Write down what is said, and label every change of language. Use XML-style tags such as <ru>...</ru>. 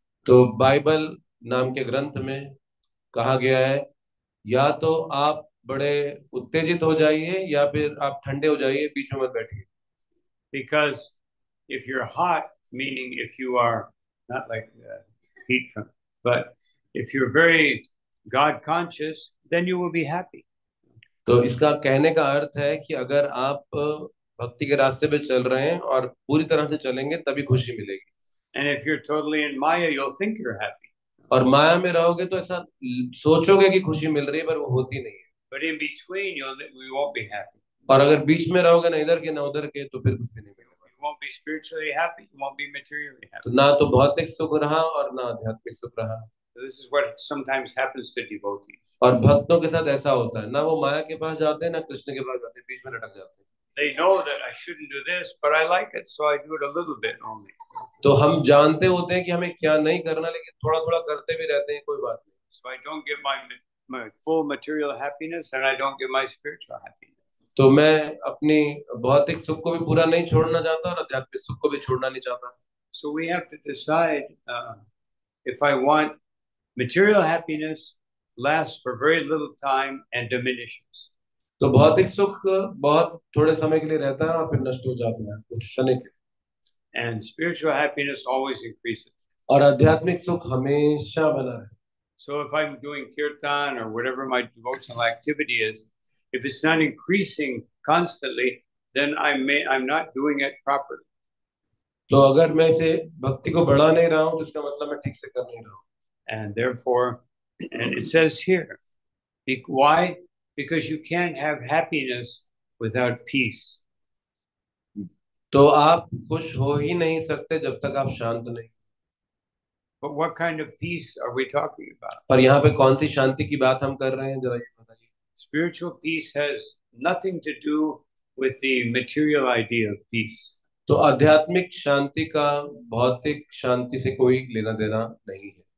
<hi>तो Bible नाम के ग्रंथ में कहा गया है, या तो आप बड़े उत्तेजित हो जाइए या फिर आप ठंडे हो जाइए, बीच में मत बैठिए.</hi> <en>Because if you're hot, meaning if you are not like heat from, but if you're very God conscious, then you will be happy.</en> <hi>तो इसका कहने का अर्थ है कि अगर आप भक्ति के रास्ते पे चल रहे हैं और पूरी तरह से चलेंगे तभी खुशी मिलेगी.</hi> <en>And if you're totally in Maya, you'll think you're happy.</en> <hi>और माया में रहोगे तो ऐसा सोचोगे कि खुशी मिल रही है, पर वो होती नहीं है.</hi> <en>But in between, we won't be happy.</en> <hi>और अगर बीच में रहोगे ना इधर के ना उधर के, तो फिर कुछ भी नहीं मिलेगा.</hi> <en>You won't be spiritually happy. You won't be materially happy.</en> <hi>तो ना तो भौतिक सुख रहा और ना आध्यात्मिक सुख रहा.</hi> <en>So this is what sometimes happens to devotees.</en> <hi>और भक्तों के साथ ऐसा होता है, ना वो माया के पास जाते हैं ना कृष्ण के पास जाते हैं, बीच में लटक जाते हैं.</hi> <en>They know that I shouldn't do this, but I like it, so I do it a little bit only.</en> <hi>तो हम जानते होते हैं कि हमें क्या नहीं करना, लेकिन थोड़ा थोड़ा करते भी रहते हैं, कोई बात नहीं.</hi> <en>So I don't give my full material happiness and I don't give my spiritual happiness.</en> <hi>तो मैं अपनी भौतिक सुख को भी पूरा नहीं छोड़ना चाहता और आध्यात्मिक सुख को भी छोड़ना नहीं चाहता.</hi> <en>So we have to decide if I want material happiness lasts for very little time and diminishes.</en> <hi>तो भौतिक सुख बहुत थोड़े समय के लिए रहता है और फिर नष्ट हो जाता है कुछ क्षणिक.</hi> <en>And spiritual happiness always increases.</en> <hi>और आध्यात्मिक सुख हमेशा बना रहता है.</hi> <en>So if I'm doing kirtan or whatever my devotional activity is, if it's not increasing constantly, then I'm not doing it properly.</en> <hi>तो अगर मैं इसे भक्ति को बढ़ा नहीं रहा हूँ, तो इसका मतलब मैं ठीक से कर नहीं रहा हूँ.</hi> <en>And therefore, and it says here, why? Because you can't have happiness without peace.</en> <hi>तो आप खुश हो ही नहीं सकते जब तक आप शांत नहीं.</hi> <en>But what kind of peace are we talking about?</en> <hi>पर यहाँ पे कौन सी शांति की बात हम कर रहे हैं जरा ये बताइए.</hi> <en>Spiritual peace has nothing to do with the material idea of peace.</en> <hi>तो आध्यात्मिक शांति का भौतिक शांति से कोई लेना देना नहीं है.</hi>